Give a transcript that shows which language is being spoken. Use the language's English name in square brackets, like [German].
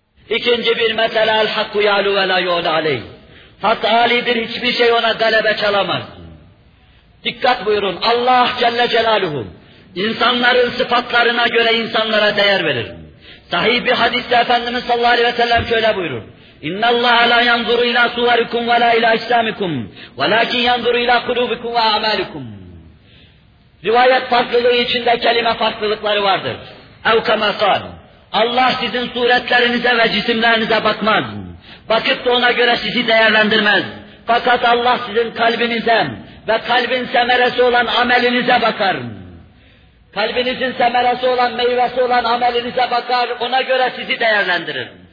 [Turkish] İkinci bir mesele, [Arabic] el-hakku yalu ve la yu'la aleyh. [Turkish] Hak âlidir, hiçbir şey ona galebe çalamaz. Dikkat buyurun, Allah Celle Celaluhu, insanların sıfatlarına göre insanlara değer verir. Sahih bir hadiste Efendimiz sallallahu aleyhi ve sellem şöyle buyurur. [Arabic] اِنَّ اللّٰهَ لَا يَنْظُرُ اِلٰى سُوَرِكُمْ وَلَا اِلٰى اِسْلَامِكُمْ وَلَاكِنْ يَنْظُرُ اِلٰى قُلُوبِكُمْ وَاَمَالِكُمْ [Turkish] Rivayet farklılığı içinde kelime farklılıkları vardır. [Arabic] اَوْ كَمَا قَالُ [Turkish] Allah sizin suretlerinize ve cisimlerinize bakmaz. Bakıp da ona göre sizi değerlendirmez. Fakat Allah sizin kalbinize ve kalbin semeresi olan amelinize bakar. Kalbinizin semeresi olan, meyvesi olan amelinize bakar, ona göre sizi değerlendirir.